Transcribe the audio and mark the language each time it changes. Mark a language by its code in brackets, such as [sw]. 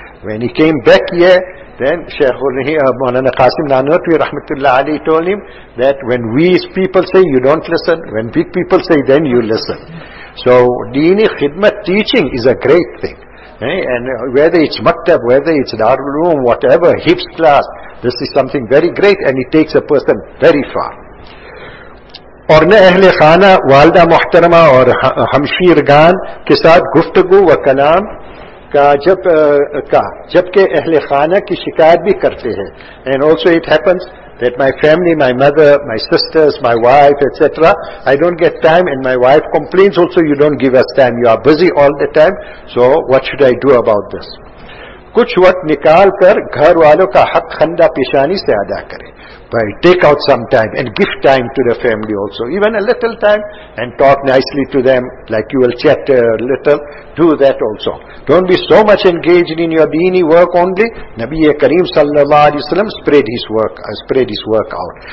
[en] When he came back here, then Shaykh Maulana Qasim Nanotvi Rahmatullah Ali told him that when wise people say you don't listen, when big people say then you listen. So deeni khidmat teaching is a great thing. And whether it's maktab, whether it's darul ulum, whatever, hips class, this is something very great and it takes a person very far. [ur] اور نہ اہل خانہ والدہ محترمہ اور ہمشیرگان کے ساتھ گفتگو و کلام جبکہ اہل خانہ کی شکایت بھی کرتے ہیں. [en] And also it happens that my family, my mother, my sisters, my wife, etc. I don't get time and my wife complains also, you don't give us time, you are busy all the time, so what should I do about this? [ur] کچھ وقت نکال کر گھر والوں کا حق خندہ پیشانی سے ادا کریں. [en] By take out some time and give time to the family also, even a little time, and talk nicely to them, like you will chat a little, do that also. Don't be so much engaged in your deeni work only. Nabi Kareem sallallahu alaihi wasallam spread his work out.